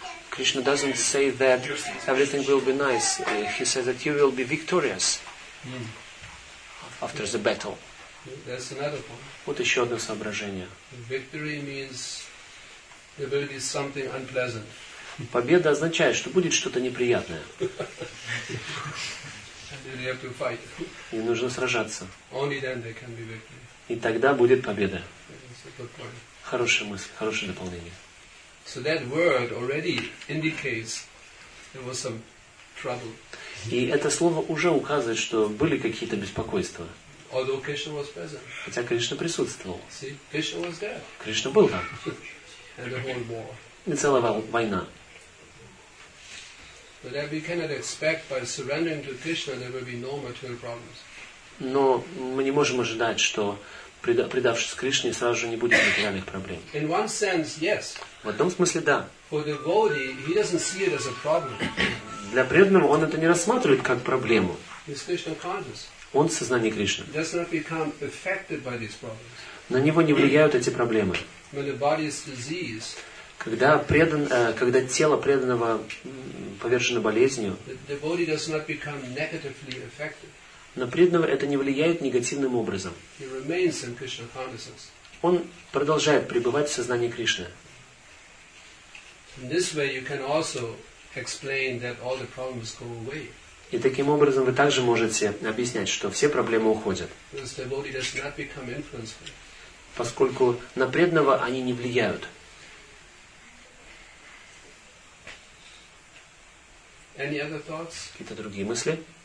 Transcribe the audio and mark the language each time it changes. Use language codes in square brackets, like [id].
[en] Krishna doesn't say that everything will be nice. He says that you will be victorious after the battle. That's another point. [ru] Вот еще одно соображение. [en] Victory means there will be something unpleasant. [ru] Победа означает, что будет что-то неприятное. [en] And then you have to fight. [ru] И нужно сражаться. [en] Only then there can be victory. [ru] И тогда будет победа. Хорошая мысль, хорошее дополнение. [en] So that word already indicates there was some trouble. [ru] И это слово уже указывает, что были какие-то беспокойства. [en] Although Krishna was present. [ru] Хотя Кришна присутствовал. [en] See, Krishna was there. [ru] Кришна был там. [en] And the whole war. [ru] И целая война. [en] But that we cannot expect by surrendering to Krishna there will be no material problems. [ru] Но мы не можем ожидать, что предавшись Кришне, сразу же не будет материальных проблем. [en] In one sense, yes. [ru] В одном смысле, да. [en] For the devotee, he doesn't see it as a problem. [ru] Для преданного он это не рассматривает как проблему. [en] He's Krishna conscious. [ru] Он – сознание Кришны. [en] Does not become affected by these problems. [ru] На него не влияют эти проблемы. [en] When the body is diseased, [ru] когда тело преданного повержено болезнью, [en] the body does not become negatively affected. [ru] На преданного это не влияет негативным образом. [en] He remains in Krishna consciousness. [ru] Он продолжает пребывать в сознании Кришны. [en] In this way you can also explain that all the problems go away. [ru] И таким образом вы также можете объяснять, что все проблемы уходят. [en] Because the body does not become influenced. [ru] Поскольку на преданного они не влияют. [en] Any other thoughts? [ru] Какие-то другие мысли?